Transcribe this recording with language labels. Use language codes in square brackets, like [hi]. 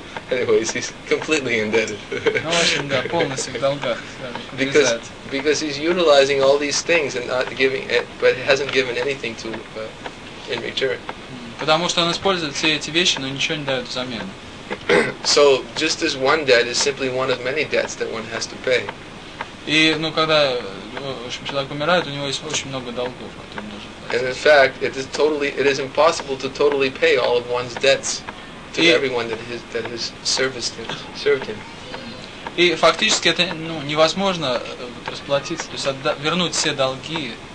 [en] Anyways, he's completely indebted. because he's utilizing all these things and not giving it, but hasn't given anything to in return. [ru] Потому что он использует все эти вещи, но ничего не дает взамен. [en] So just as one debt is simply one of many debts that one has to pay. [ru] И, ну, когда, в общем, человек умирает, у него есть очень много долгов, которые он должен платить. [en] And in fact, it is impossible to totally pay all of one's debts to everyone that has served him. [ru] И фактически это, ну, невозможно вот расплатиться, то есть вернуть все долги.